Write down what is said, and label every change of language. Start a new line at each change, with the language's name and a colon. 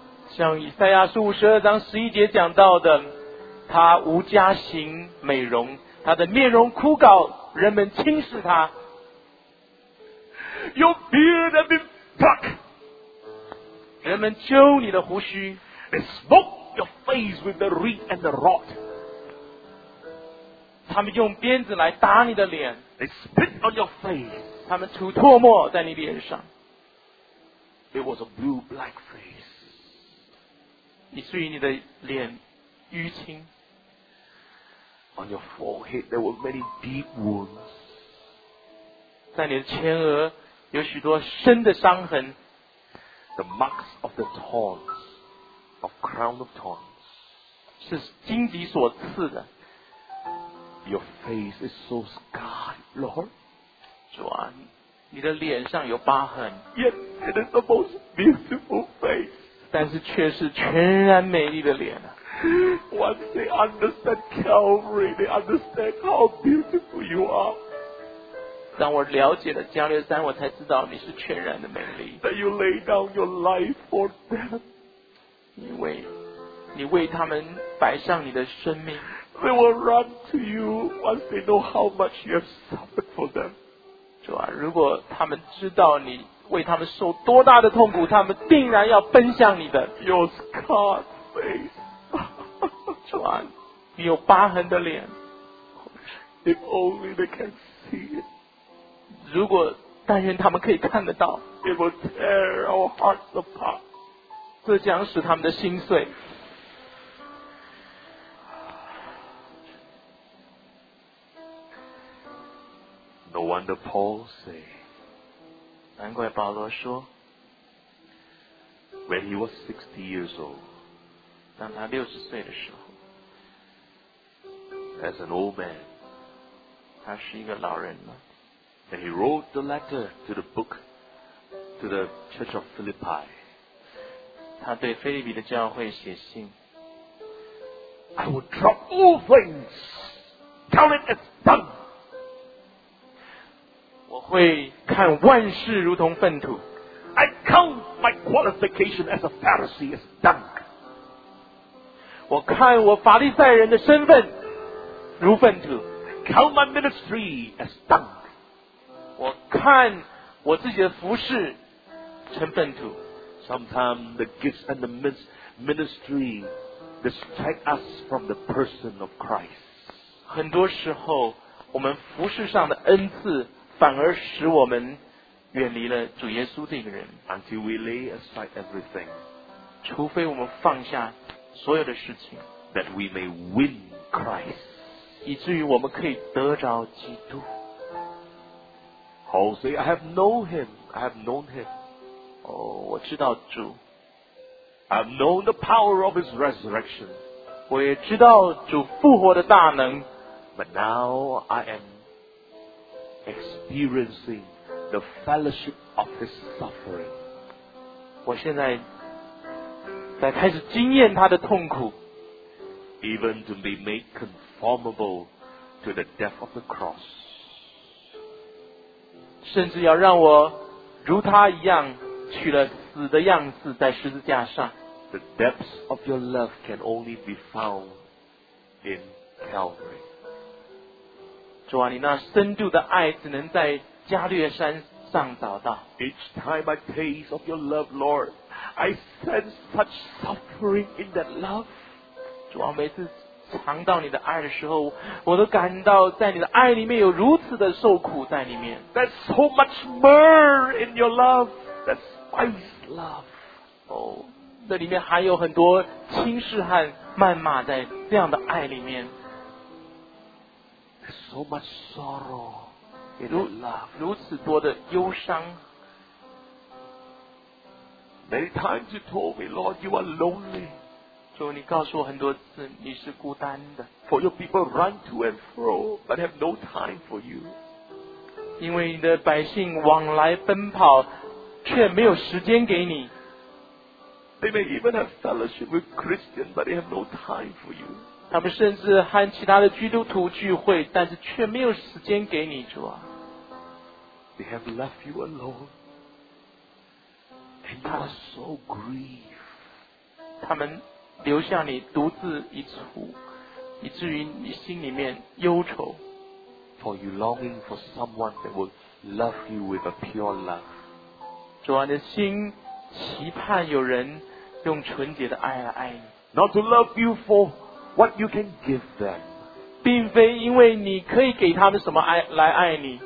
Chinese: 像以赛亚书52章11节讲到的。他无家行美容，他的面容枯槁，人们轻视他。
English: Your beard has been plucked.
Chinese: 人们揪你的胡须。
English: They smoke your face with the reed and the rod.
Chinese: 他们用鞭子来打你的脸。
English: They spit on your face.
Chinese: 他们吐唾沫在你脸上。
English: It was a blue-black face.
Chinese: 以至于你的脸淤青。
English: On your forehead, there were many deep wounds.
Chinese: 在你的前额有许多深的伤痕。
English: The marks of the thorns, of crown of thorns.
Chinese: 是荆棘所刺的。
English: Your face is so scarred, Lord.
Chinese: 主啊，你的脸上有疤痕。
English: Yet it is the most beautiful face.
Chinese: 但是却是全然美丽的脸啊。
English: Once they understand Calvary, they understand how beautiful you are.
Chinese: 当我了解了加略山，我才知道你是全然的美丽。
English: That you lay down your life for them.
Chinese: 因为你为他们摆上你的生命。
English: They will run to you once they know how much you have suffered for them.
Chinese: 主啊，如果他们知道你为他们受多大的痛苦，他们定然要奔向你的。
English: Your scarred face.
Chinese: 主啊，你有疤痕的脸。
English: If only they can see it.
Chinese: 如果但愿他们可以看得到。
English: It will tear our hearts apart.
Chinese: 这将使他们的心碎。
English: No wonder Paul say.
Chinese: 难怪保罗说。
English: When he was 60 years old.
Chinese: 当他六十岁的时候。
English: As an old man.
Chinese: 他是一个老人了。
English: And he wrote the letter to the book, to the church of Philippi.
Chinese: 他对腓立比的教会写信。
English: I will drop all things. Tell it as done.
Chinese: 我会看万事如同粪土。
English: I count my qualification as a Pharisee as dung.
Chinese: 我看我法利赛人的身份如粪土。
English: I count my ministry as dung.
Chinese: 我看我自己的服事成粪土。
English: Sometimes the gifts and the ministry distract us from the person of Christ.
Chinese: 很多时候，我们服事上的恩赐。反而使我们远离了主耶稣这个人。
English: Until we lay aside everything,
Chinese: 除非我们放下所有的事情
English: ，that we may win Christ,
Chinese: 以至于我们可以得着基督。
English: Paul say, I have known him, I have known him.
Chinese: 哦，我知道主。
English: I have known the power of his resurrection.
Chinese: 我也知道主复活的大能。
English: But now I am. Experiencing the fellowship of his suffering.
Chinese: 我现在在开始经验他的痛苦。
English: Even to be made conformable to the death of the cross.
Chinese: 甚至要让我如他一样取了死的样子在十字架上。
English: The depths of your love can only be found in Calvary.
Chinese: 主啊，你那深度的爱只能在加略山上找到。
English: Each time I taste of your love, Lord, I sense such suffering in that love.
Chinese: 主啊，每次尝到你的爱的时候，我都感到在你的爱里面有如此的受苦在里面。
English: There's so much myrrh in your love, that spice love.
Chinese: 哦，那里面还有很多轻视和谩骂在这样的爱里面。
English: So much sorrow in love.
Chinese: 如此多的忧伤。
English: Many times you told me, Lord, you are lonely.
Chinese: 主，你告诉我很多次你是孤单的。
English: For your people run to and fro, but have no time for you.
Chinese: 因为你的百姓往来奔跑，却没有时间给你。
English: They may even have fellowship with Christians, but they have no time for you.
Chinese: 他们甚至和其他的基督徒聚会，但是却没有时间给你，主啊。
English: They have left you alone, and you are so grieved.
Chinese: 他们留下你独自一处，以至于你心里面忧愁。
English: For you longing for someone that will love you with a pure love.
Chinese: 主啊，你的心期盼有人用纯洁的爱来爱你。
English: Not to love you for. What you can give them.
Chinese: 并非因为你可以给他们什么爱来爱你。